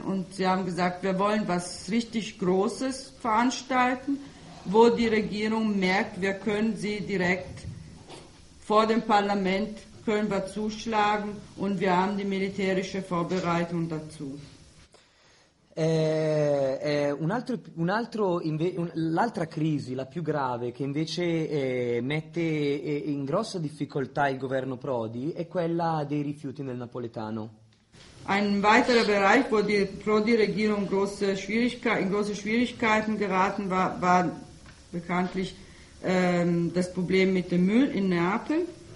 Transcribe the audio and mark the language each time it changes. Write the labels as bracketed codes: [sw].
[de] Und sie haben gesagt, wir wollen was richtig Großes veranstalten, wo die Regierung merkt, wir können sie direkt vor dem Parlament, können wir zuschlagen und wir haben die militärische Vorbereitung dazu. [it] L'altra crisi, la più grave, che invece mette in grossa difficoltà il governo Prodi, è quella dei rifiuti nel napoletano. [de] Ein weiterer Bereich, wo die Prodi-Regierung in große Schwierigkeiten geraten war, war bekanntlich das Problem mit dem Müll in Neapel.